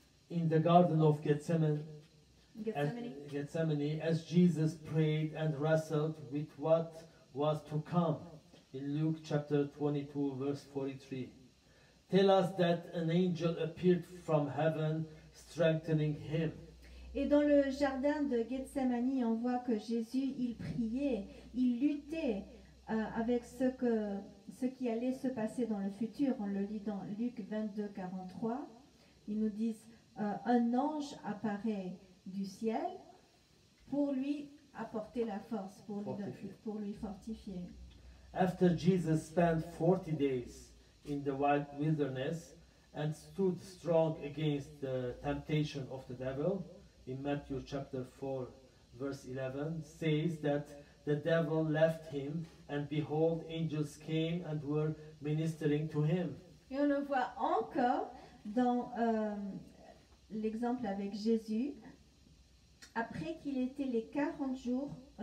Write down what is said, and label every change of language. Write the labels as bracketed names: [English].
[English] In the garden of Gethsemane, as Jesus prayed and wrestled with what was to come, in Luke chapter 22, verse 43. Tell us that an angel appeared from heaven, strengthening him. [French] Et dans le jardin de Gethsemane, on voit que Jésus, il priait, il luttait avec ce qui allait se passer dans le futur. On le lit dans Luc 22, 43. Ils nous disent, un ange apparaît du ciel pour lui apporter la force, pour lui fortifier. [English] After Jesus spent 40 days in the wilderness and stood strong against the temptation of the devil, in Matthew chapter 4, verse 11, says that the devil left him and behold, angels came and were ministering to him. [French] Et on le voit encore dans l'exemple avec Jésus, après qu'il était les 40 jours...